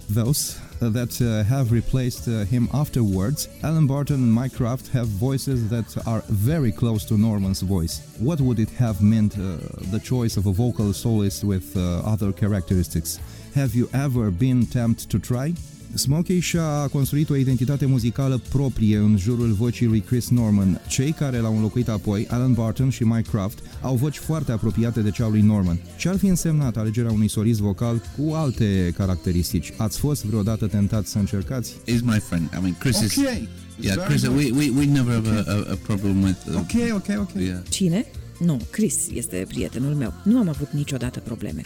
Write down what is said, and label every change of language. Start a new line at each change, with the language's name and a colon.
English: Those that have replaced him afterwards, Alan Barton and Mike Kraft have voices that are very close to Norman's voice. What would it have meant, the choice of a vocal soloist with other characteristics? Have you ever been tempted to try?
Romanian: Smokey și-a construit o identitate muzicală proprie în jurul vocii lui Chris Norman. Cei care l-au înlocuit apoi, Alan Barton și Mike Kraft, au voci foarte apropiate de cea lui Norman. Ce ar fi însemnat alegerea unui solist vocal cu alte caracteristici? Ați fost vreodată tentat să încercați?
English: He's my friend. I mean, Chris is... Okay. Yeah, Chris, we never have a problem with... Okay. Yeah.
Romanian: Cine? Nu, Chris este prietenul meu. Nu am avut niciodată probleme.